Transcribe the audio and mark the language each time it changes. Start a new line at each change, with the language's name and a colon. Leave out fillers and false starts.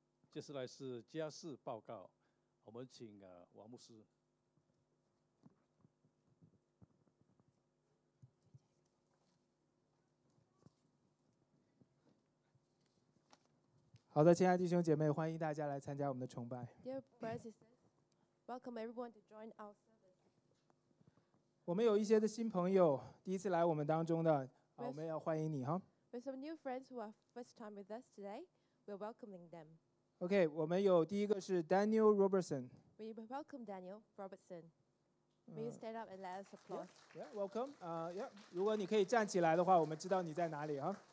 Chinese: 接下来是家事报告，我们请王牧师。好的，亲爱的弟兄姐妹，欢迎大家来参加我们的崇拜。
English: Dear brothers, welcome everyone to join our service.
Chinese: 我们有一些的新朋友，第一次来我们当中的，我们要欢迎你哈。
English: With some new friends who are first time with us today, we're welcoming them.
Chinese: OK, 我们有第一个是 Daniel Robertson.
English: We welcome Daniel Robertson. May you stand up and let us applaud. Yeah, welcome.
Chinese: 如果你可以站起来的话，我们知道你在哪里哈。